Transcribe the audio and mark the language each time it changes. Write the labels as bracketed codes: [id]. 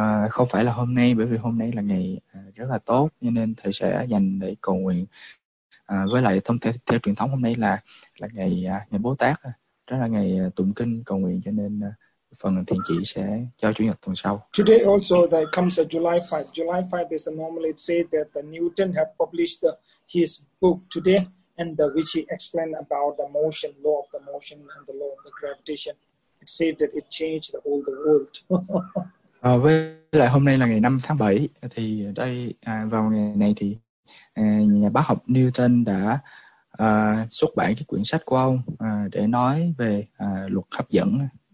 [vi] Không phải là hôm nay, bởi vì hôm nay là ngày rất là tốt, cho nên thầy sẽ dành để cầu nguyện. Với lại thông theo truyền thống hôm nay là ngày Bồ Tát, đó là ngày tụng kinh cầu nguyện, cho nên phần thiền chỉ sẽ cho chủ nhật tuần sau. [en] Today also that comes a July 5. July 5 is normally said that the Newton have published his book today, and which he explained about the motion, law of the motion and the law of the gravitation. It said that it changed all the world. [vi] Với lại hôm nay là ngày 5 tháng 7, thì đây vào ngày này thì nhà bác học Newton đã xuất bản cái quyển sách của ông để nói về luật hấp dẫn.